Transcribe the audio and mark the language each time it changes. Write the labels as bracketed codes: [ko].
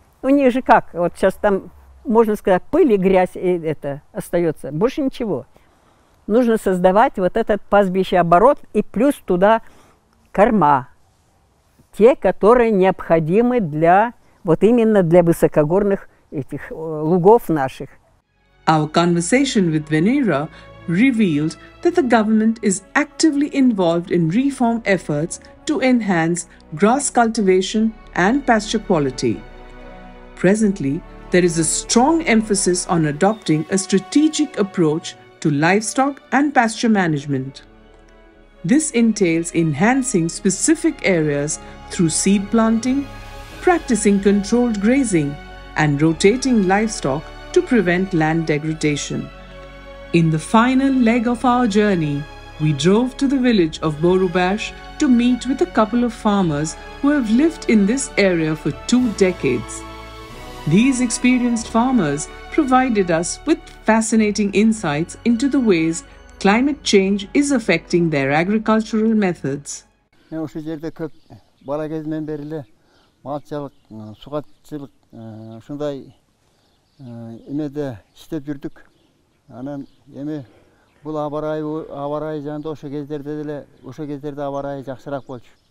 [ru] У них же как, вот сейчас там, можно сказать, пыль и грязь и это остается, больше ничего. Нужно создавать вот этот пастбище, оборот и плюс туда корма. Те, которые необходимы для, вот именно для высокогорных этих лугов наших. [en] Our conversation with Venera revealed that the government is actively involved in reform efforts to enhance grass cultivation and pasture quality. Presently, there is a strong emphasis on adopting a strategic approach to livestock and pasture management. This entails enhancing specific areas through seed planting, practicing controlled grazing, and rotating livestock to prevent land degradation. In the final leg of our journey, we drove to the village of Borubash to meet with a couple of farmers who have lived in this area for 2 decades. These experienced farmers provided us with fascinating insights into the ways climate change is affecting their agricultural methods. [ky] Мен ошо жерде көп бала кезимден бери эле малчылык, сугатчылык, ошондой эмеде иштеп жүрдүк. Анан эми бул аба-ырайы жанында ошо кездерде деле ошо кездерде аба-ырайы жакшыраак болчу.